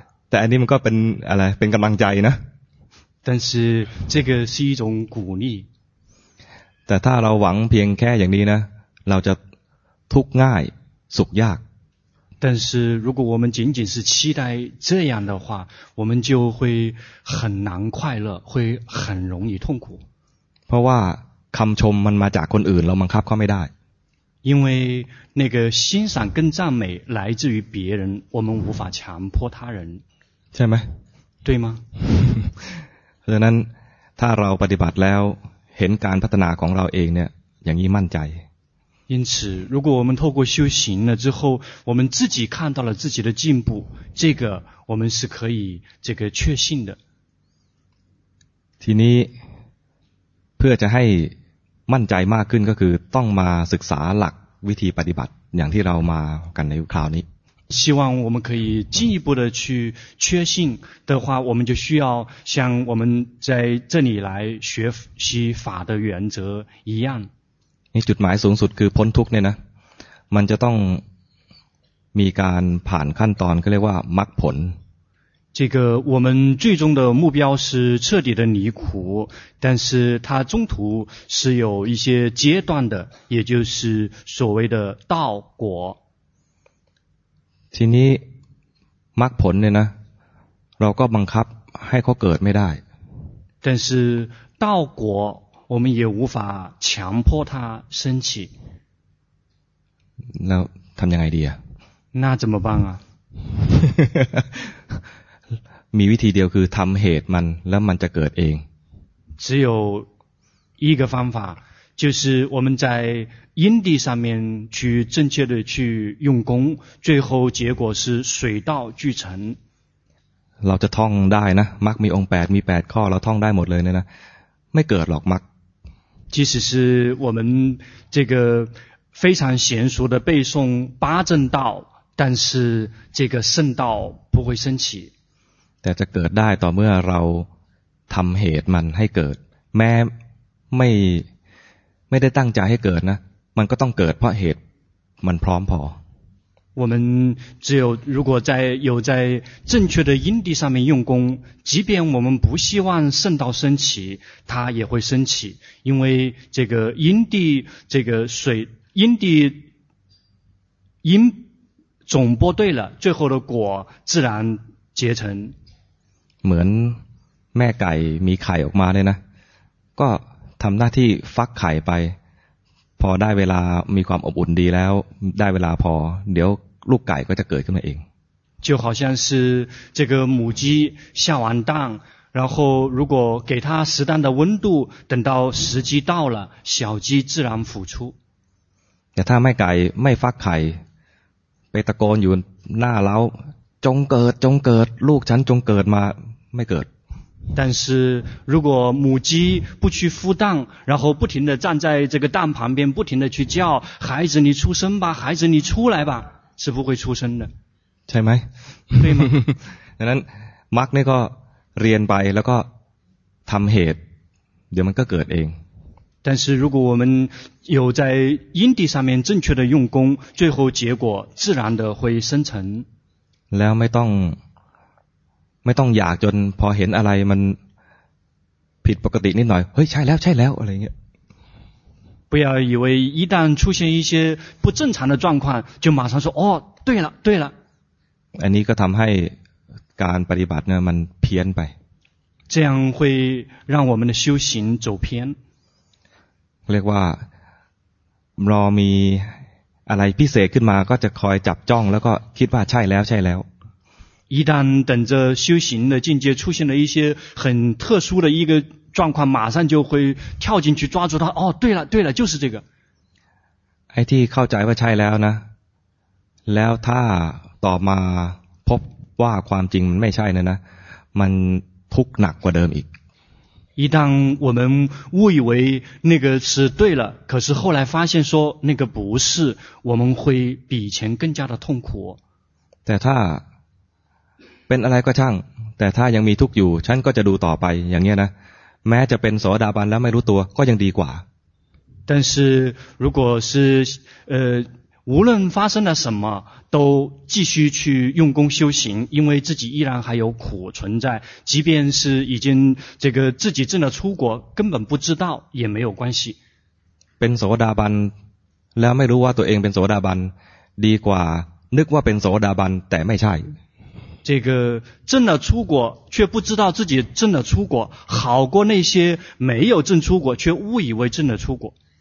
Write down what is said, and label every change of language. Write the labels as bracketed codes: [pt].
[th] แต่อันนี้มันก็เป็นอะไรเป็นกำลังใจนะ [zh] 但是这个是一种鼓励 [th] แต่ถ้าเราหวังเพียงแค่อย่างนี้นะเราจะทุกข์ง่ายสุขยาก [zh] 但是如果我们仅仅是期待这样的话我们就会很难快乐会很容易痛苦 [th] เพราะว่าคำชมมันมาจากคนอื่นเราบังคับเขาไม่ได้ [zh] 因为那个欣赏跟赞美来自于别人我们无法强迫他人 [th] ใช่ไหม [zh] 对吗 [th] เพราะฉะนั้นถ้าเราปฏิบัติแล้วเห็นการพัฒนาของเราเองเนี่ยอย่างนี้มั่นใจ [zh] 因此如果我们透过修行了之后我们自己看到了自己的进步这个我们是可以这个确信的 [th] ทีนี้เพื่อจะให้มั่นใจมากขึ้นก็คือต้องมาศึกษาหลักวิธีปฏิบัติอย่างที่เรามากันในคราวนี้ [zh] 希望我们可以进一步的去确信的话我们就需要像我们在这里来学习法的原则一样 [th] จุดหมายสูงสุดคือพ้นทุกข์เนี่ยนะมันจะต้องมีการผ่านขั้นตอนก็เรียกว่ามรรคผล [zh] 这个我们最终的目标是彻底的离苦但是它中途是有一些阶段的也就是所谓的道果 [th] ทีนี้มรรคผลเนี่ยนะเราก็บังคับให้เขาเกิดไม่ได้ [zh] 但是道果我们也无法强迫它升起 [th] แล้วทำยังไงดีอ่ะ [zh] 那怎么办啊 [th] มีวิธีเดียวคือทำเหตุมันแล้วมันจะเกิดเอง [zh] 只有一个方法就是我们在因地上面去正确的去用功最后结果是水到渠成 [th] เราจะท่องได้นะมรรคมีองค์8มี8ข้อเราท่องได้หมดเลยเนี่ยนะไม่เกิดหรอกมรรค [zh] 即使是我们这个非常娴熟的背诵八正道但是这个圣道不会升起 [th] แต่จะเกิดได้ต่อเมื่อเราทำเหตุมันให้เกิดแม้ไม่ได้ตั้งใจให้เกิดนะมันก็ต้องเกิดเพราะเหตุมันพร้อมพอ [zh] 我们只有如果在有在正确的因地上面用功即便我们不希望圣道升起它也会升起因为这个因地这个水因地因种播对了最后的果自然结成 [th] เหมือนแม่ไก่มีไข่ออกมาเลยนะก็ทำหน้าที่ฟักไข่ไปพอได้เวลามีความอบอุ่นดีแล้วได้เวลาพอเดี๋ยวลูกไก่ก็จะเกิดขึ้นมาเอง [zh] 就好像是这个母鸡下完蛋然后如果给它适当的温度，等到时机到了，小鸡自然孵出。 [th] แต่ถ้าไม่ไก่ไม่ฟักไข่ไปตะโกนอยู่หน้าเล้าจงเกิดจงเกิดลูกฉันจงเกิดมาไม่เกิด [zh] 但是如果母鸡不去孵蛋，然后不停地站在这个蛋旁边，不停地去叫孩子你出生吧，孩子你出来吧，是不会出生的。 [th] ใช่ไหม？ [zh] 对吗？ [th] ดังนั้นมรรคนี่ก็เรียนไปแล้วก็ทำเหตุเดี๋ยวมันก็เกิดเอง [zh] 但是如果我们有在因地上面正确的用功，最后结果自然的会生成。 [th] แล้วไม่ต้องอยากจนพอเห็นอะไรมันผิดปกตินิดหน่อยเฮ้ยใช่แล้วใช่แล้วอะไรเงี้ย [zh] 不要以为一旦出现一些不正常的状况就马上说哦对了对了 [th] อันนี้ก็ทำให้การปฏิบัติเนี่ยมันเพี้ยนไป [zh] 这样会让我们的修行走偏 [th] เรียกว่าเรามีอะไรพิเศษขึ้นมาก็จะคอยจับจ้องแล้วก็คิดว่าใช่แล้วใช่แล้ว [zh] 一旦等着修行的境界出现了一些很特殊的一个状况，马上就会跳进去抓住它。哦，对了，对了，就是这个。 [th] ไอ้ที่เข้าใจว่าใช่แล้วนะ，แล้วถ้าต่อมาพบว่าความจริงมันไม่ใช่นะนะ，มันทุกข์หนักกว่าเดิมอีก。 [zh] 一旦我们误以为那个是对了，可是后来发现说那个不是，我们会比以前更加的痛苦。 [th] แต่ถ้าเป็นอะไรก็ช่างแต่ถ้ายังมีทุกข์อยู่ฉันก็จะดูต่อไปอย่างเงี้ยนะแม้จะเป็นโสดาบันแล้วไม่รู้ตัวก็ยังดีกว่า [zh] 但是如果是无论发生了什么都继续去用功修行因为自己依然还有苦存在即便是已经这个自己证了出果根本不知道也没有关系 [th] เป็นโสดาบันแล้วไม่รู้ว่าตัวเองเป็นโสดาบันดีกว่านึกว่าเป็นโสดาบันแต่ไม่ใช่ [zh] 这个证了出果却不知道自己证了出果好过那些没有证出果却误以为证了出果